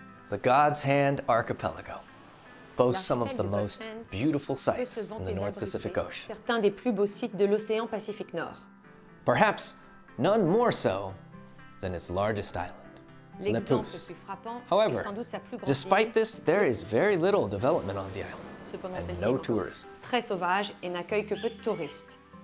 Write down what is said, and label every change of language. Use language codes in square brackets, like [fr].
[en] The God's Hand Archipelago boasts some of the most beautiful sites in the North Pacific Ocean. [fr] Certains des plus beaux sites de l'océan Pacifique Nord. [en] Perhaps none more so than its largest island, Lepus. However, despite this, there is very little development on the island, and no tourism. [fr] Très sauvage et n'accueille que peu de touristes.